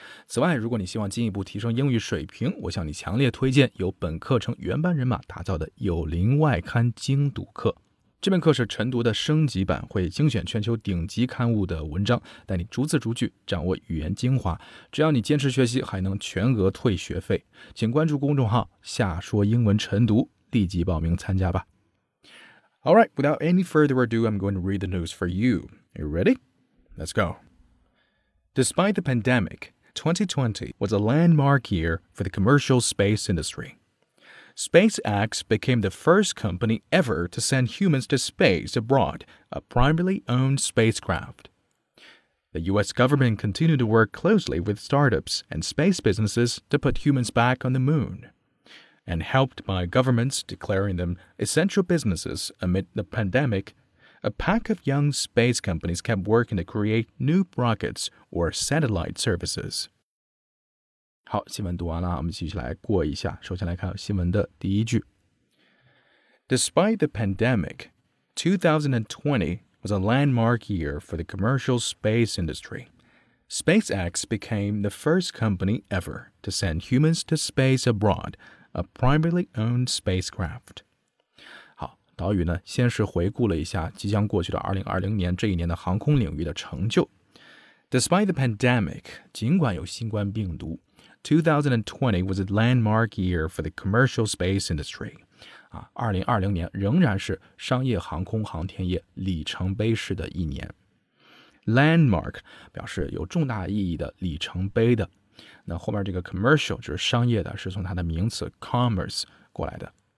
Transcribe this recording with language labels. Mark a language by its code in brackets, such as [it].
[zh] 此外，如果你希望进一步提升英语水平，我向你强烈推荐由本课程原班人马打造的有灵外刊精读课。这门课是晨读的升级版，会精选全球顶级刊物的文章，带你逐字逐句掌握语言精华。只要你坚持学习，还能全额退学费。请关注公众号夏说英文晨读，立即报名参加吧。 [en] All right, without any further ado, I'm going to read the news for you. Are you ready? Let's go. Despite the pandemic, 2020 was a landmark year for the commercial space industry. SpaceX became the first company ever to send humans to space abroad, a privately owned spacecraft. The U.S. government continued to work closely with startups and space businesses to put humans back on the moon. And helped by governments declaring them essential businesses amid the pandemic, a pack of young space companies kept working to create new rockets or satellite services. [zh] 好，新闻读完了，我们继续来过一下。首先来看新闻的第一句。 [en] Despite the pandemic, 2020 was a landmark year for the commercial space industry. SpaceX became the first company ever to send humans to space abroad,A privately owned spacecraft. [zh] 好，导语呢，先是回顾了一下即将过去的2020年这一年的航空领域的成就。 [en] Despite the pandemic, [zh] 尽管有新冠病毒 [en] ,2020 was a landmark year for the commercial space industry. [zh] 2020年仍然是商业航空航天业里程碑式的一年。 Landmark 表示有重大意义的里程碑的。那后面这个 commercial 就是商业的，是从它的名词 commerce 过来的。